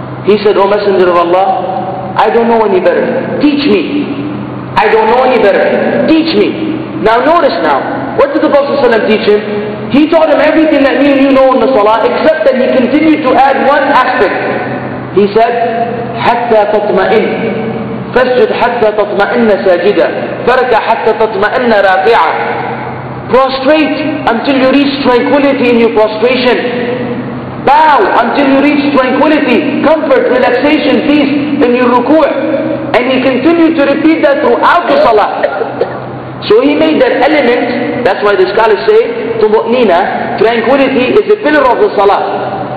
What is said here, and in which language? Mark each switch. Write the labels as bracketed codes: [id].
[en] He said, O Messenger of Allah, I don't know any better. Teach me. I don't know any better. Teach me. Now notice now, what did the Prophet ﷺ teach him? He taught him everything that me and you know in the salah, except that he continued to add one aspect. He said, [ar] حَتَّى تَطْمَئِنْ فَسْجُدْ حَتَّى تَطْمَئِنَّ سَاجِدًا فَرَكَ حَتَّى تَطْمَئِنَّ رَاقِعًا. [en] Prostrate until you reach tranquility in your prostration. Bow until you reach tranquility, comfort, relaxation, peace in your ruku'. And he continued to repeat that throughout the salah. So he made that element, that's why the scholars say, tumu'nina, tranquility is a pillar of the salah.